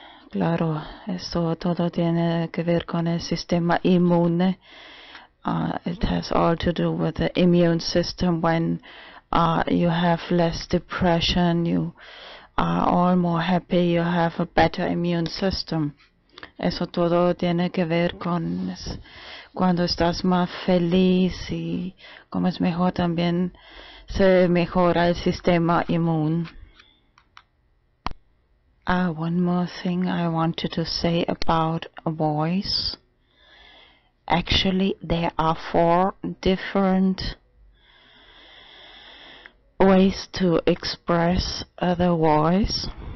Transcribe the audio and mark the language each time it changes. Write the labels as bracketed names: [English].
[Spanish] Claro, esto todo tiene que ver con el sistema inmune. [English] It has all to do with the immune system. When you have less depression, you are all more happy, you have a better immune system. [Spanish] Eso todo tiene que ver con cuando estás más feliz, y como es mejor también, se mejora el sistema inmune. [English] One more thing I wanted to say about a voice. Actually, there are four different ways to express the voice.